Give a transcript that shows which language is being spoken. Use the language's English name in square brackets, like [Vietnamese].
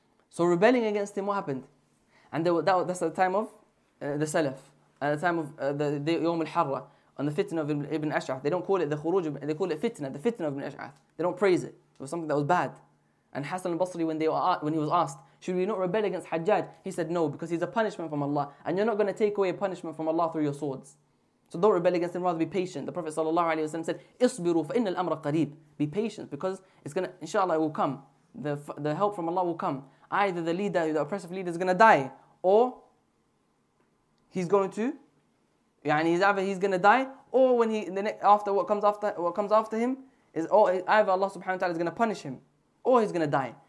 [English] So rebelling against him, what happened? And that's at the time of the Salaf, at the time of the Yawm al-Harra, on the fitna of Ibn Ash'ath. They don't call it the Khuruj, they call it fitna, the fitna of Ibn Ash'ath. They don't praise it. It was something that was bad. And Hassan al-Basri, when he was asked, should we not rebel against Hajjaj? He said, no, because he's a punishment from Allah. And you're not going to take away a punishment from Allah through your swords. So don't rebel against him, rather be patient. The Prophet ﷺ said, [Arabic] اصبروا فإن الأمر قريب. [English] Be patient, because it's going to, inshallah, it will come. The help from Allah will come. Either the leader, the oppressive leader, is going to die, or he's going to, yani he's going to die, or when what comes after him is, or either Allah subhanahu wa ta'ala is going to punish him, or he's going to die.